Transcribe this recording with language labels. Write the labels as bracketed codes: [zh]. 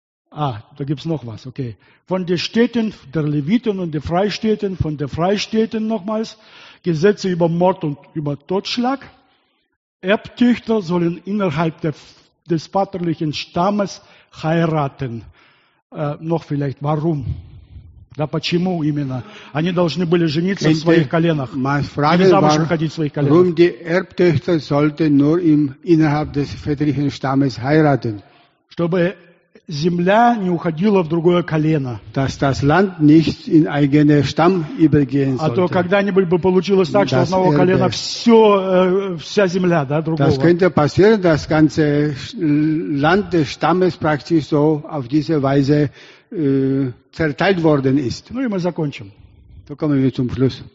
[de] Ah, da gibt's noch was, okay. Von den Städten der Leviten und der Freistädten, von den Freistädten nochmals, Gesetze über Mord und über Totschlag. Erbtüchter sollen innerhalb des vaterlichen Stammes heiraten. Noch vielleicht, warum? [ru] Да почему именно? Они должны были жениться in своих коленах. Или замуж выходить в своих коленах. [de] Warum die Erbtüchter sollten nur innerhalb des väterlichen Stammes heiraten? [ru] Чтобы земля не уходила в другое колено. [de] Dass das Land nicht in eigene Stamm übergehen sollte. [ru] А то когда-нибудь бы получилось так, что das одного колена все, вся земля, да, другого. [de] Das könnte passieren, das ganze Land des Stammes praktisch so auf diese Weise zerteilt worden ist. [ru] Ну и мы закончим. [de] So kommen wir zum Schluss.